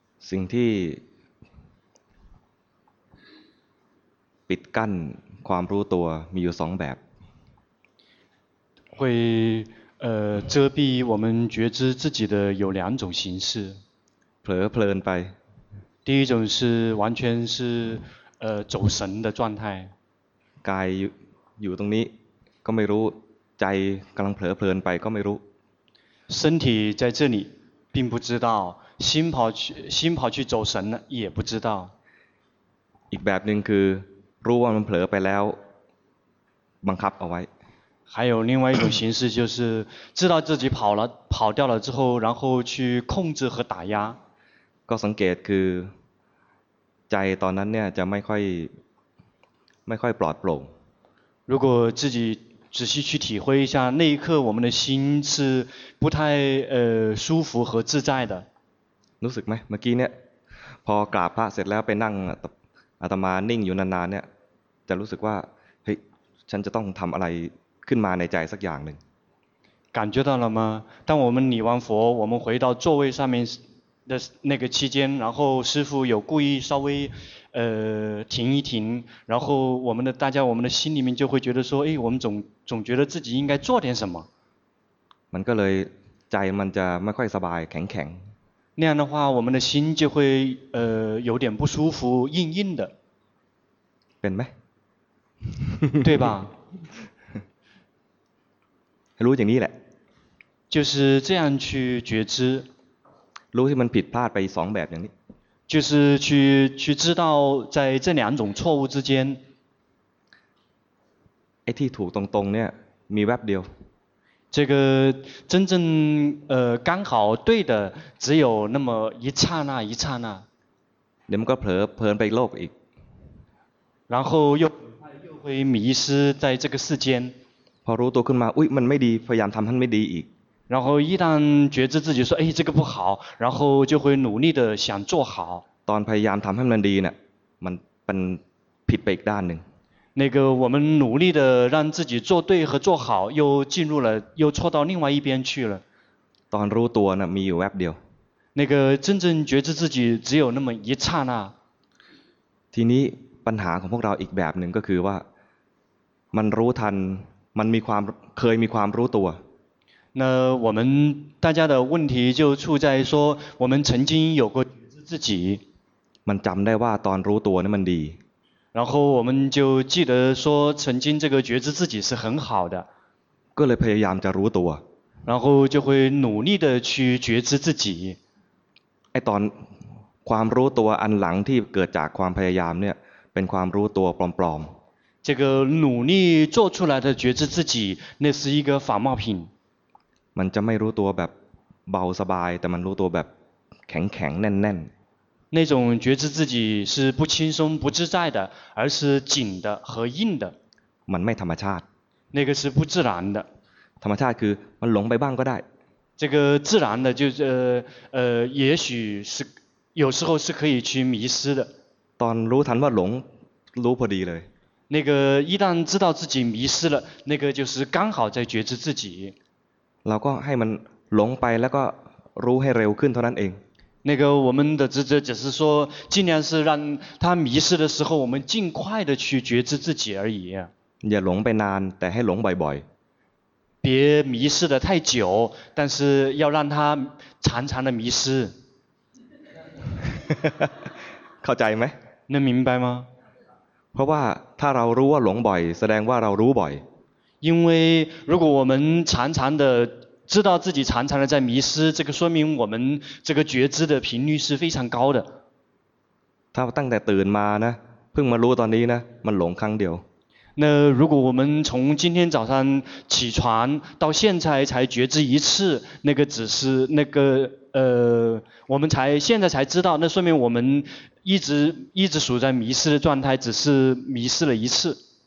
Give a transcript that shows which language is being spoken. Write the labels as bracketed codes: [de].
[th] สิ่งที่ปิดกั้นความรู้ตัวมีอยู่สองแบบ [zh] 会遮蔽我们觉知自己的有两种形式 [th] เผลอเพลินไป [zh] 第一种是完全是走神的状态 [th] กายอยู่ตรงนี้ก็ไม่รู้ใจกำลังเผลอเพลินไปก็ไม่รู้ [zh] 身体在这里并不知道心跑去走神了也不知道 [th] อีกแบบนึงคือรู้ว่ามันเผลอไปแล้วบังคับเอาไว้ [zh] 还有另外一种形式就是知道自己跑掉了之后然后去控制和打压 [th] ก็สังเกตคือใจตอนนั้นเนี่ยจะไม่ค่อยปลอดโปร่ง [zh] 如果自己仔细去体会一下，那一刻我们的心是不太舒服和自在的。 [th] รู้สึกไหมเมื่อกี้เนี่ยพอกราบพระเสร็จแล้วไปนั่งอาตมานิ่งอยู่นานๆเนี่ยจะรู้สึกว่าเฮ้ยฉันจะต้องทำอะไรขึ้นมาในใจสักอย่างหนึ่ง [zh] 感觉到了吗？当我们礼完佛，我们回到座位上面的那个期间，然后师父有故意稍微停一停，然后我们的心里面就会觉得说，哎，我们总觉得自己应该做点什么。 [th] มันก็เลยใจมันจะไม่ค่อยสบายแข็งแข็ง [zh] 那样的话，我们的心就会有点不舒服，硬硬的。 [th] เป็นไหม？ [zh] 对吧？ [th] รู้อย่างนี้แหละ。 [zh] 就是这样去觉知。 [th] รู้ที่มันผิดพลาดไปสองแบบอย่างนี้ [zh] 就是去知道在这两种错误之间 [th] ไอ้ที่ถูกตรงๆเนี่ยมีแวบเดียว [zh] 这个真正刚好对的只有那么一刹那一刹那 [th] เดี๋ยวมันก็เพลินไปโลกอีก [zh] 然后又会迷失在这个世间 [th] พอรู้ตัวขึ้นมาอุ๊ยมันไม่ดีพยายามทำให้ไม่ดีอีก [zh] 然后一旦觉知自己说，哎，这个不好，然后就会努力的想做好。 [th] ตอนพยายามทำให้มันดีเนี่ยมันเป็นผิดไปอีกด้านหนึ่ง。 [zh] 那个我们努力的让自己做对和做好，又进入了又错到另外一边去了。 [th] ตอนรู้ตัวเนี่ยมีอยู่แวบเดียว。 [zh] 那个真正觉知自己只有那么一刹那。 [th] ทีนี้ปัญหาของพวกเราอีกแบบหนึ่งก็คือว่ามันรู้ทันมันมีความเคยมีความรู้ตัว。 [zh] 那我们大家的问题就处在说，我们曾经有过觉知自己。 [th] มันจำได้ว่าตอนรู้ตัวนั้นมันดี。 [zh] 然后我们就记得说，曾经这个觉知自己是很好的。 [th] ก็เลยพยายามจะรู้ตัว。 [zh] 然后就会努力的去觉知自己。 [th] ไอ้ตอนความรู้ตัวอันหลังที่เกิดจากความพยายามเนี่ยเป็นความรู้ตัวปลอม ๆ。 [zh] 这个努力做出来的觉知自己，那是一个仿冒品。 [th] มันจะไม่รู้ตัวแบบเบาสบายแต่มันรู้ตัวแบบแข็งแข็งแน่นแน่น [zh] 那种觉知自己是不轻松不自在的而是紧的和硬的 [th] มันไม่ธรรมชาติ [zh] 那个是不自然的 [th] ธรรมชาติคือมันหลงไปบ้างก็ได้ [zh] 这个自然的就也许是有时候是可以去迷失的 [th] ตอนรู้ทันว่าหลงรู้พอดีเลย [zh] 那个一旦知道自己迷失了那个就是刚好在觉知自己 [th] เราก็ให้มันหลงไปแล้วก็รู้ให้เร็วขึ้นเท่านั้นเอง [zh] 那个我们的职责只是说尽量是让他迷失的时候我们尽快的去觉知自己而已 [th] อย่าหลงไปนานแต่ให้หลงบ่อย [zh] ๆ别迷失的太久但是要让他常常的迷失 [th] เข้าใจไหม [zh] 能明白吗 [th] เพราะว่าถ้าเรารู้ว่าหลงบ่อยแสดงว่าเรารู้บ่อย [zh] 因为如果我们常常的知道自己常常的在迷失，这个说明我们这个觉知的频率是非常高的。 [th] 他ตั้งแต่ตื่นมานะเพิ่งมารู้ตอนนี้นะมันหลงครั้งเดียว。 [zh] 那如果我们从今天早上起床到现在才觉知一次，那个只是那个我们才现在才知道，那说明我们一直处在迷失的状态，只是迷失了一次。